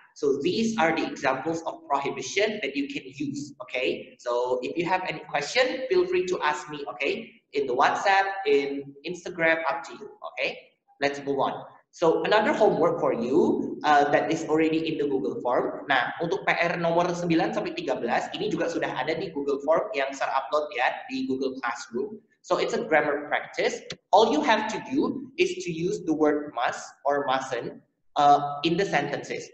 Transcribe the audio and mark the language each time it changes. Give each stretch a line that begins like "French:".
English: So these are the examples of prohibition that you can use, okay? So if you have any question, feel free to ask me, okay? In the WhatsApp, in Instagram, up to you, okay? Let's move on. So another homework for you that is already in the Google Form.
Indonesian: Nah, untuk PR nomor 9 sampai 13, ini juga sudah ada di Google Form yang ter-upload ya di Google Classroom.
English: So it's a grammar practice. All you have to do is to use the word must or mustn't in the sentences.